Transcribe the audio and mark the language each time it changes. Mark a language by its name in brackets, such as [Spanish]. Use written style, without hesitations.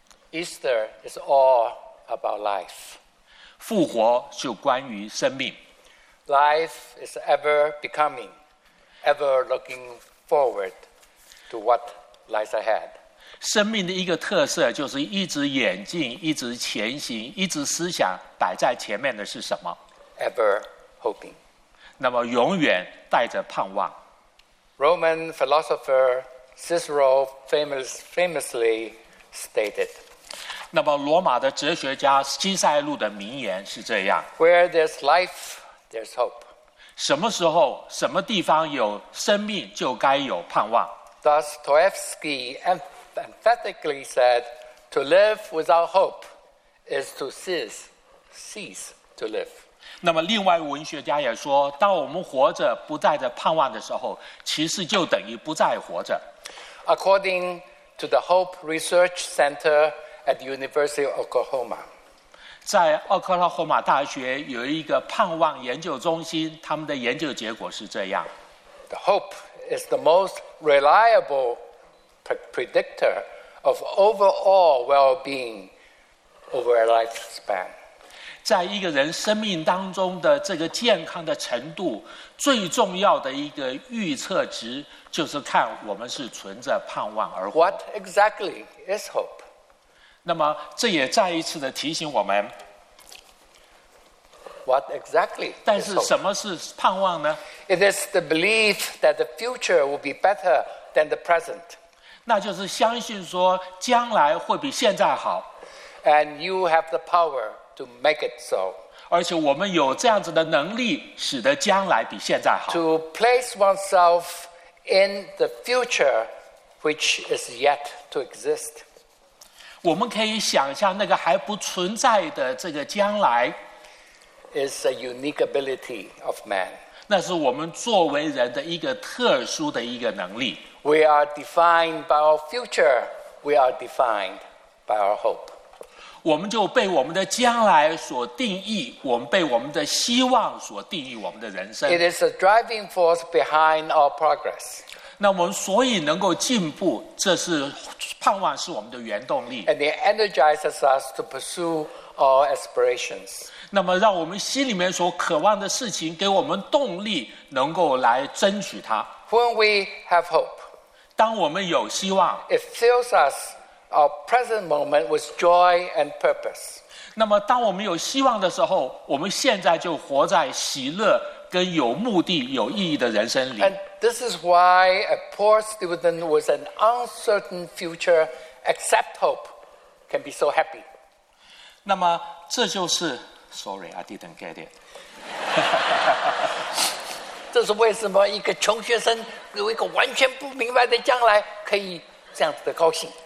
[English] Easter is all about life. [Chinese] 复活就关于生命。 [English] Life is ever becoming, ever looking forward to what lies ahead. [Chinese] 生命的一个特色就是一直演进，一直前行，一直思想摆在前面的是什么？ [English] Ever hoping. [Chinese] 那么永远带着盼望。 [English] Roman philosopher Cicero famously stated. [Chinese] 那么罗马的哲学家西塞路的名言是这样。 [English] Where there's life, there's hope. [Chinese] 什么时候、什么地方有生命，就该有盼望。 [English] Thus, Dostoevsky emphatically said, "To live without hope is to cease to live." [Chinese] 那么另外文学家也说，当我们活着不带着盼望的时候，其实就等于不再活着。 [English] According to the Hope Research Center at the University of Oklahoma, [Chinese] 在奥克拉荷马大学有一个盼望研究中心，他们的研究结果是这样。 [English] The hope is the most reliable predictor of overall well-being over a lifespan. [Chinese] 在一个人生命当中的这个健康的程度，最重要的一个预测值就是看我们是存着盼望而活。 [English] What exactly is hope? [Chinese] 那么这也再一次的提醒我们。 [English] What exactly is hope? [Chinese] 但是什么是盼望呢？ [English] It is the belief that the future will be better than the present. [Chinese] 那就是相信说将来会比现在好。 [English] And you have the power to make it so. [Chinese] 而且我们有这样子的能力使得将来比现在好。 [English] To place oneself in the future which is yet to exist. [Chinese] 我们可以想象那个还不存在的这个将来。 [English] Is a unique ability of man. [Chinese] 那是我们作为人的一个特殊的一个能力。 [English] We are defined by our future. We are defined by our hope. [Chinese] 我们就被我们的将来所定义，我们被我们的希望所定义我们的人生。 [English] It is a driving force behind our progress. [Chinese] 那我们所以能够进步，这是盼望是我们的原动力。 [English] And it energizes us to pursue our aspirations. [Chinese] 那么让我们心里面所渴望的事情给我们动力，能够来争取它。 [English] When we have hope, [Chinese] 当我们有希望， [English] it fills us our present moment with joy and purpose. [Chinese] 那么当我们有希望的时候，我们现在就活在喜乐跟有目的有意义的人生里。 [English] And this is why a poor student with an uncertain future except hope can be so happy. 那么这就是 Sorry, I didn't get it. [Chinese] 这是为什么一个穷学生有一个完全不明白的将来可以这样子的高兴。